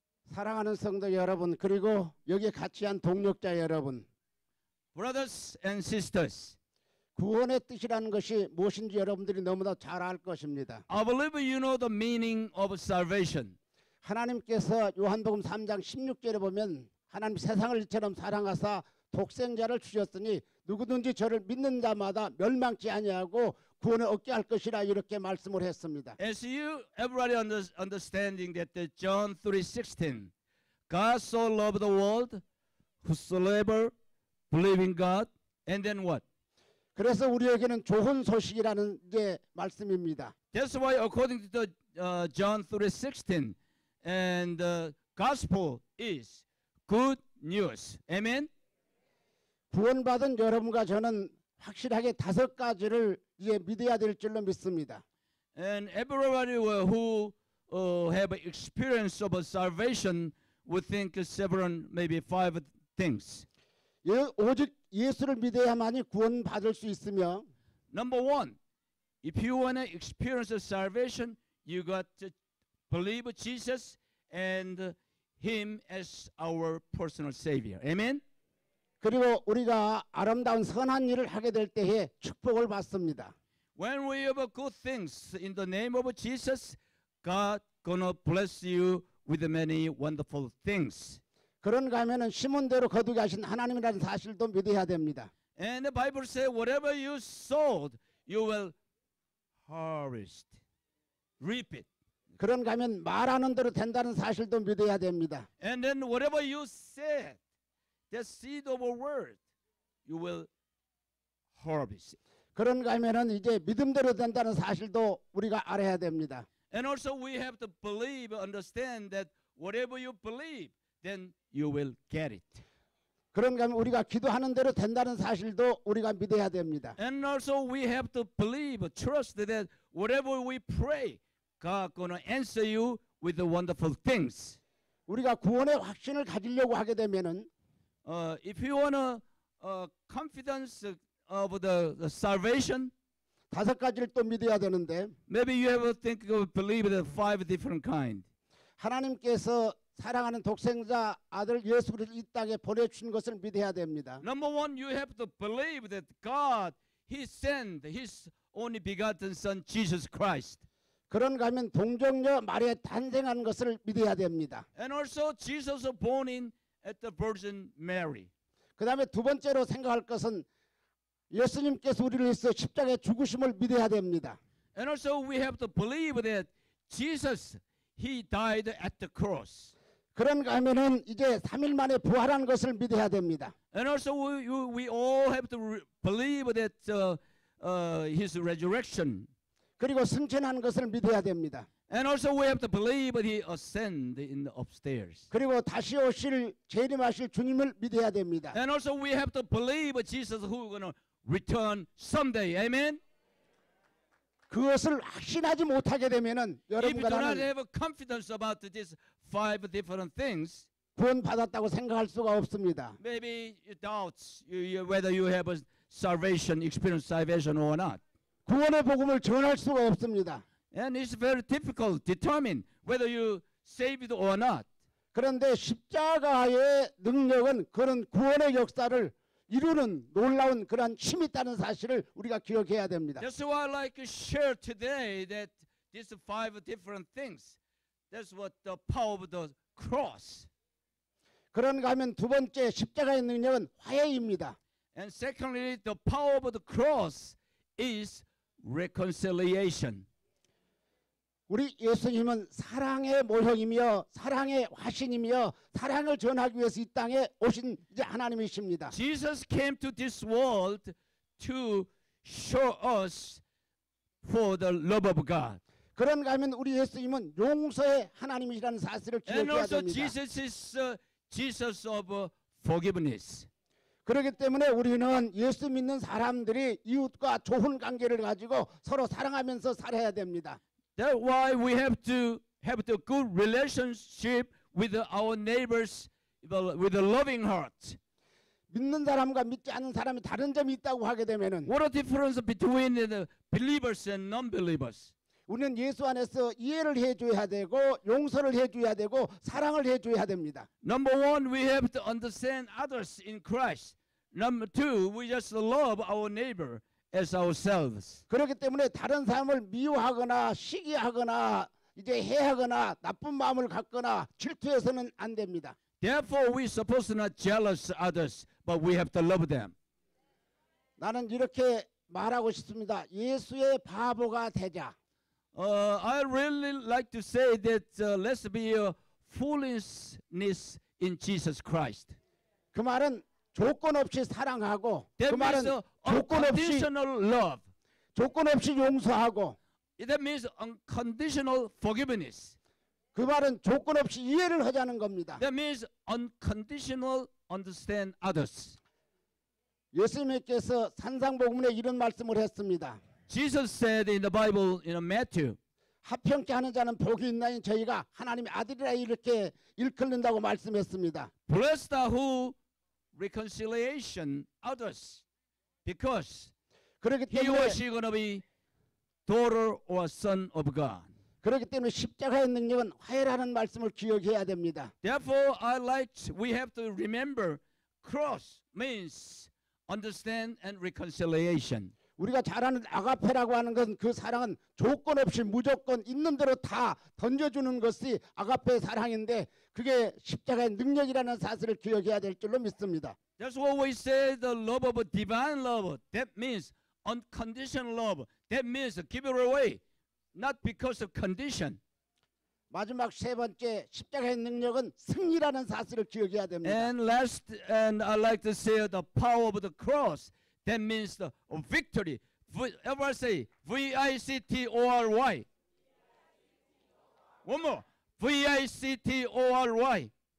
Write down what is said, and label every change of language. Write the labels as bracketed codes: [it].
[ko] 사랑하는 성도 여러분 그리고 여기 같이 한 동역자 여러분. [en] Brothers and sisters, [ko] 구원의 뜻이라는 것이 무엇인지 여러분들이 너무나 잘 알 것입니다. [en] I believe you know the meaning of salvation. [ko] 하나님께서 요한복음 3장 16절에 보면 하나님 세상을 이처럼 사랑하사 독생자를 주셨으니 누구든지 저를 믿는 자마다 멸망치 아니하고 구원을 얻게 할 것이라 이렇게 말씀을 했습니다. [en] As you everybody understanding that the John 3:16, God so loved the world, whosoever believe in God, and then what? [ko] 그래서 우리에게는 좋은 소식이라는 게 말씀입니다. [en] That's why according to the John 3:16, and the gospel is good news. Amen? [ko] 구원받은 여러분과 저는 확실하게 다섯 가지를 이제 믿어야 될 줄로 믿습니다. [en] And everybody who have an experience of a salvation would think several, maybe five things. [ko] 오직 예수를 믿어야만이 구원받을 수 있으며 [en] Number one, if you want to experience a salvation, you got to believe Jesus and Him as our personal Savior. Amen? [ko] 그리고 우리가 아름다운 선한 일을 하게 될 때에 축복을 받습니다. [en] When we have good things in the name of Jesus, God gonna bless you with many wonderful things. [ko] 그런가 하면은 심은대로 거두게 하신 하나님이라는 사실도 믿어야 됩니다. [en] And the Bible says, whatever you sowed, you will harvest, reap it. [ko] 그런가 하면 말하는 대로 된다는 사실도 믿어야 됩니다. [en] And then whatever you said, the seed of a word, you will harvest it. [ko] 그런 가면은 이제 믿음대로 된다는 사실도 우리가 알아야 됩니다. [en] And also we have to believe, understand that whatever you believe, then you will get it. [ko] 그런 가면 우리가 기도하는 대로 된다는 사실도 우리가 믿어야 됩니다. [en] And also we have to believe, trust that whatever we pray, God gonna answer you with the wonderful things. [ko] 우리가 구원의 확신을 가지려고 하게 되면은 [en] if you want a confidence of the salvation, [ko] 다섯 가지를 또 믿어야 되는데 [en] maybe you have to think of believe the five different kind. [ko] 하나님께서 사랑하는 독생자 아들 예수 그리스도를 이 땅에 보내 주신 것을 믿어야 됩니다. [en] Number one, you have to believe that God he sent his only begotten son Jesus Christ. [ko] 그런 가면 동정녀 마리아 탄생한 것을 믿어야 됩니다. [en] And also Jesus was born in at the Virgin Mary. [ko] 그다음에 두 번째로 생각할 것은 예수님께서 우리를 위해서 십자가에 죽으심을 믿어야 됩니다. [en] And also we have to believe that Jesus he died at the cross. [ko] 그런 가면은 이제 3일 만에 부활한 것을 믿어야 됩니다. [en] And also we all have to believe that his resurrection. [ko] 그리고 승천한 것을 믿어야 됩니다. [en] And also we have to believe that he ascend in the upstairs. [ko] 그리고 다시 오실 재림하실 주님을 믿어야 됩니다. [en] And also we have to believe Jesus who is going to return someday. Amen. [ko] 그것을 확신하지 못하게 되면은 여러분과 나는 [en] If you do not have a confidence about these five different things, [ko] 구원 받았다고 생각할 수가 없습니다. [en] Maybe you doubt whether you have a salvation experience, salvation or not. [ko] 구원의 복음을 전할 수가 없습니다. [en] And it's very difficult to determine whether you saved or not. [ko] 그런데 십자가의 능력은 그런 구원의 역사를 이루는 놀라운 그런 힘이 있다는 사실을 우리가 기억해야 됩니다. [en] That's why I like to share today that these five different things. That's what the power of the cross. [ko] 그런가 하면 두 번째 십자가의 능력은 화해입니다. [en] And secondly, the power of the cross is reconciliation. [ko] 우리 예수님은 사랑의 모형이며 사랑의 화신이며 사랑을 전하기 위해서 이 땅에 오신 이제 하나님이십니다. [en] Jesus came to this world to show us for the love of God. [ko] 그런가 하면 우리 예수님은 용서의 하나님이라는 사실을 기억해야 됩니다. [en] And also Jesus is Jesus of forgiveness. [ko] 그렇기 때문에 우리는 예수 믿는 사람들이 이웃과 좋은 관계를 가지고 서로 사랑하면서 살아야 됩니다. [en] That's why we have to good relationship with our neighbors with a loving heart. [ko] 믿는 사람과 믿지 않는 사람이 다른 점이 있다고 하게 되면은 [en] What a difference between the believers and non-believers. [ko] 우리는 예수 안에서 이해를 해줘야 되고 용서를 해줘야 되고 사랑을 해줘야 됩니다. [en] Number one, we have to understand others in Christ. Number two, we just love our neighbor as ourselves. [ko] 그렇기 때문에 다른 사람을 미워하거나 시기하거나 이제 해하거나 나쁜 마음을 갖거나 질투해서는 안 됩니다. [en] Therefore, we suppose not jealous others, but we have to love them. [ko] 나는 이렇게 말하고 싶습니다. 예수의 바보가 되자. [en] I really like to say that let's be a foolishness in Jesus Christ. [ko] 그 말은 조건 없이 사랑하고 [en] that [ko] 그 말은 조건 없이 [en] unconditional love. [ko] 조건 없이 용서하고 [en] that means unconditional forgiveness. [ko] 그 말은 조건 없이 이해를 하자는 겁니다. [en] That means unconditional understand others. [ko] 예수님께서 산상복음에 이런 말씀을 했습니다. [en] Jesus said in the Bible, in Matthew, [ko] 합평케 하는 자는 복이 있나니 저희가 하나님의 아들이라 이렇게 일컫는다고 말씀했습니다. [en] Blessed are who reconciliation others, because [ko] 그렇기 때문에 [en] he or she is going to be daughter or son of God. [ko] 그렇기 때문에 십자가의 능력은 화해라는 말씀을 기억해야 됩니다. [en] Therefore, I like we have to remember cross means understand and reconciliation. [ko] 우리가 잘 아는 아가페라고 하는 것은 그 사랑은 조건 없이 무조건 있는 대로 다 던져주는 것이 아가페 사랑인데 그게 십자가의 능력이라는 사실을 기억해야 될 줄로 믿습니다. [en] That's what we say the love of divine love. That means unconditional love. That means give it away. Not because of condition. [ko] 마지막 세 번째 십자가의 능력은 승리라는 사실을 기억해야 됩니다. [en] And last, and I like to say the power of the cross. That means the victory. V-I-C-T-O-R-Y. One more. V-I-C-T-O-R-Y.